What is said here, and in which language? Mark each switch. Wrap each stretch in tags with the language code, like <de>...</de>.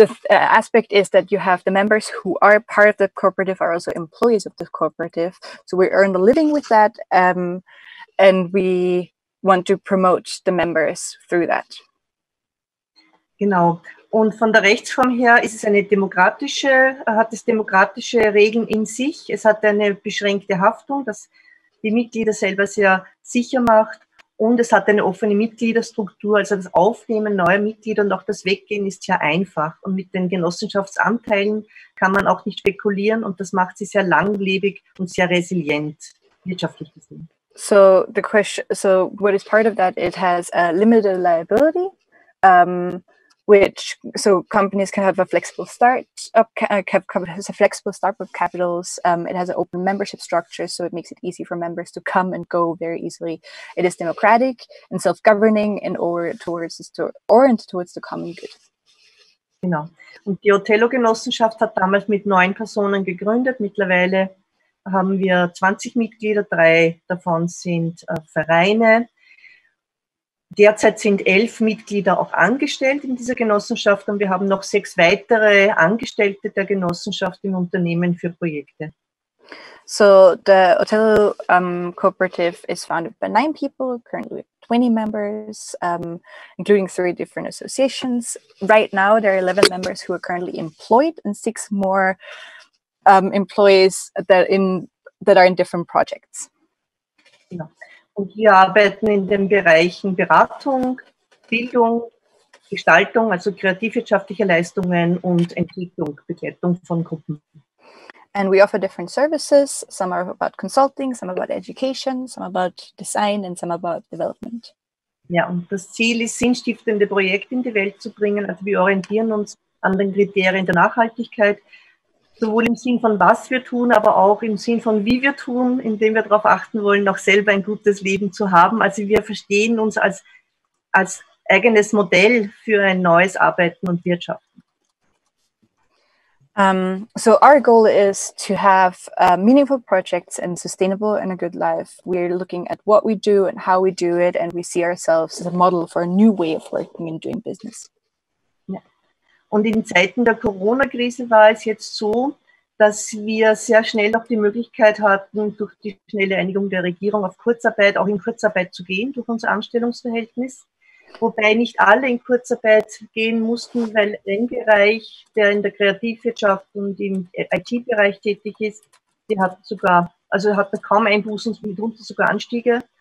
<en>Aspect is that you have the members who are part of the cooperative are also employees of the cooperative. So we earn a living with that, and we want to promote the members through that.</en> <de>Genau. Und von der Rechtsform her ist es eine demokratische, hat es demokratische Regeln in sich. Es hat eine beschränkte Haftung, das die Mitglieder selber sehr sicher macht. Und es hat eine offene Mitgliederstruktur, also das Aufnehmen neuer Mitglieder und auch das Weggehen ist sehr einfach. Und mit den Genossenschaftsanteilen kann man auch nicht spekulieren und das macht sie sehr langlebig und sehr resilient, wirtschaftlich gesehen.</de> <en>So, the question, so what is part of that? It has a limited liability. Which, so companies can have a flexible start up, has a flexible start with capitals. It has an open membership structure, so it makes it easy for members to come and go very easily. It is democratic and self-governing and oriented towards the common good.</en> <de>Genau. Und die Othello-Genossenschaft hat damals mit 9 Personen gegründet. Mittlerweile haben wir 20 Mitglieder, 3 davon sind Vereine. Derzeit sind 11 Mitglieder auch angestellt in dieser Genossenschaft und wir haben noch 6 weitere Angestellte der Genossenschaft im Unternehmen für Projekte.</de> <en>So the Otello Cooperative is founded by 9 people, currently 20 members, including 3 different associations. Right now there are 11 members who are currently employed and 6 more employees that are in different projects.</en> <de>Ja. Und wir arbeiten in den Bereichen Beratung, Bildung, Gestaltung, also kreativwirtschaftliche Leistungen und Entwicklung, Begleitung von Gruppen.</de> <en>And we offer different services. Some are about consulting, some about education, some about design and some about development.</en> <de>Ja, und das Ziel ist, sinnstiftende Projekte in die Welt zu bringen. Also wir orientieren uns an den Kriterien der Nachhaltigkeit, sowohl im Sinn von was wir tun, aber auch im Sinn von wie wir tun, indem wir darauf achten wollen, auch selber ein gutes Leben zu haben. Also wir verstehen uns als eigenes Modell für ein neues Arbeiten und Wirtschaften.</de> <en>So our goal is to have meaningful projects and sustainable and a good life. We're looking at what we do and how we do it, and we see ourselves as a model for a new way of working and doing business.</en> <de>Ja. Und in Zeiten der Corona-Krise war es jetzt so, dass wir sehr schnell auch die Möglichkeit hatten, durch die schnelle Einigung der Regierung auf Kurzarbeit, auch in Kurzarbeit zu gehen, durch unser Anstellungsverhältnis. Wobei nicht alle in Kurzarbeit gehen mussten, weil ein Bereich, der in der Kreativwirtschaft und im IT-Bereich tätig ist, die hat sogar, also hatte kaum Einbußen, mitunter sogar Anstiege.</de>